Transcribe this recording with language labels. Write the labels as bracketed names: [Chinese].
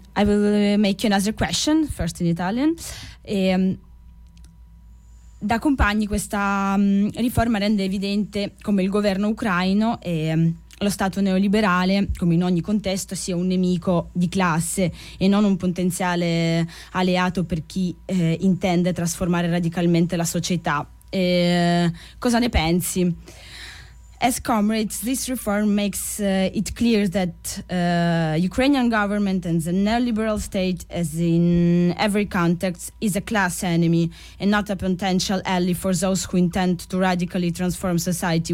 [English] I will make you another question, first in Italian. [Italian] Da compagni, questa riforma rende evidente come il governo ucraino e lo Stato neoliberale, come in ogni contesto, sia un nemico di classe e non un potenziale alleato per chi intende trasformare radicalmente la società. Cosa ne pensi? [English] As comrades, this reform makes it clear that Ukrainian government and the neoliberal state, as in every context, is a class enemy and not a potential ally for those who intend to radically transform society.